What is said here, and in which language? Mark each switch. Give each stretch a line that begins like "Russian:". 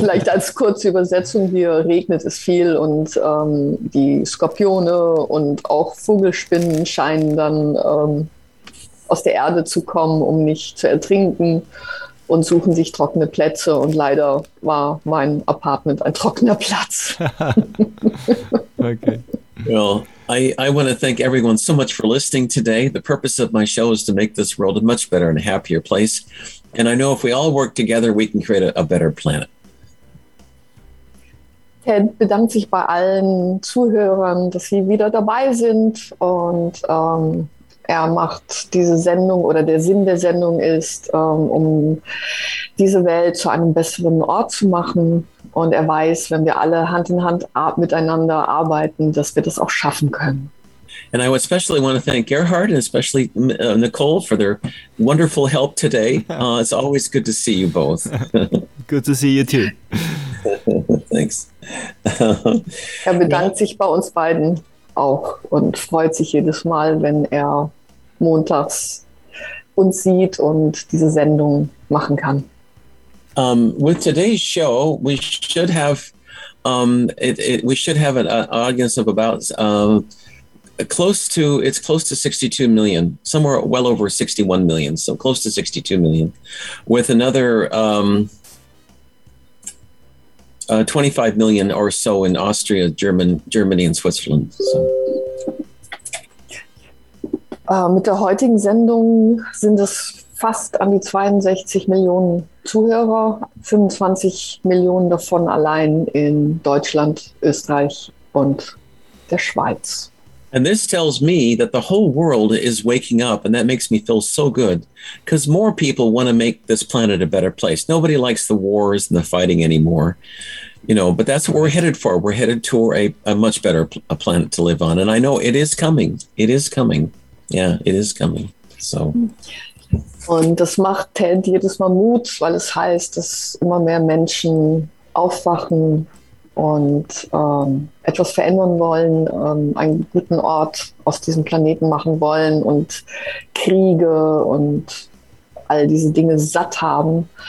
German: Vielleicht als kurze Übersetzung hier, regnet es viel und die Skorpione und auch Vogelspinnen scheinen dann aus der Erde zu kommen, um nicht zu ertrinken und suchen sich trockene Plätze. Und leider war mein Apartment ein trockener Platz. Okay.
English: Well, I want to thank everyone so much for listening today. The purpose of my show is to make this world a much better and happier place. And I know if we all work together, we can create a better planet.
German: Ted bedankt sich bei allen Zuhörern, dass sie wieder dabei sind. Und er macht diese Sendung, oder der Sinn der Sendung ist, um diese Welt zu einem besseren Ort zu machen. Und er weiß, wenn wir alle Hand in Hand miteinander arbeiten, dass wir das auch schaffen können.
English: And I especially want to thank Gerhard and especially Nicole for their wonderful help today. It's always good to see you both. Good to see you too. Thanks.
German: Er bedankt sich bei uns beiden auch und freut sich jedes Mal, wenn er montags uns sieht und diese Sendung machen kann.
English: With today's show, we should have we should have an audience of about close to 62 million, somewhere well over 61 million, so close to 62 million, with another 25 million or so in Austria, Germany and Switzerland. So.
German: Mit der heutigen Sendung sind es fast an die 62 Millionen Zuhörer, 25 Millionen davon allein in Deutschland, Österreich und der Schweiz.
English: And this tells me that the whole world is waking up, and that makes me feel so good, because more people want to make this planet a better place. Nobody likes the wars and the fighting anymore, you know, but that's what we're headed for. We're headed to a much better a planet to live on. And I know it is coming. It is coming. Yeah, it is coming. So.
German: Und das macht Ted jedes Mal Mut, weil es heißt, dass immer mehr Menschen aufwachen und etwas verändern wollen, einen guten Ort aus diesem Planeten machen wollen und Kriege und all diese Dinge satt haben.